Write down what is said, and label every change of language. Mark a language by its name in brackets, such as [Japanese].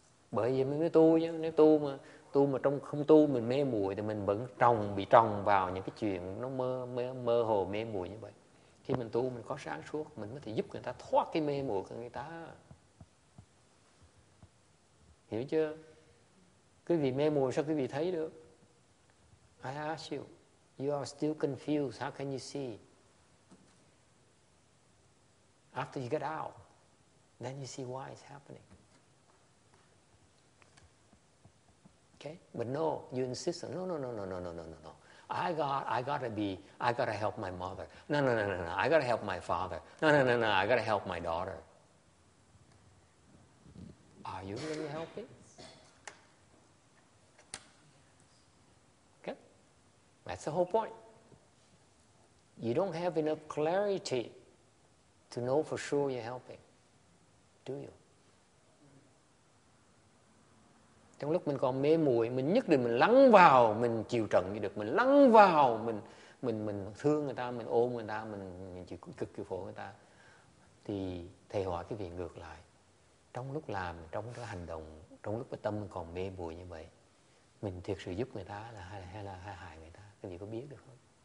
[Vietnamese] Bởi vì mình mới tu chứ, nếu tu mà trong không tu mình mê muội thì mình vẫn bị trồng vào những cái chuyện nó mơ hồ mê muội như vậy. Khi mình tu mình có sáng suốt, mình mới thể giúp người ta thoát cái mê muội của người ta. Hiểu chưa? Cái vị mê muội sao quý vị thấy được? [English] I ask you, you are still confused, how can you see? After you get out, then you see why it's happening. Okay? But no, you insist on, no. I gotta help my mother. No. I gotta help my father. No. I gotta help my daughter. Are you really helping? Okay? That's the whole point. You don't have enough clarity to know for sure you're helping. Do you? [Vietnamese] Trong lúc mình còn mê muội, mình nhất định mình lắng vào, mình chịu trận như được. Mình lắng vào, mình thương người ta, mình ôm người ta, mình chịu cực chịu khổ người ta. Thì thầy hỏi cái việc ngược lại. Trong lúc làm, trong cái hành động, trong lúc cái tâm mình còn mê muội như vậy, mình thiệt sự giúp người ta là hay hại người ta? Cái gì có biết được không?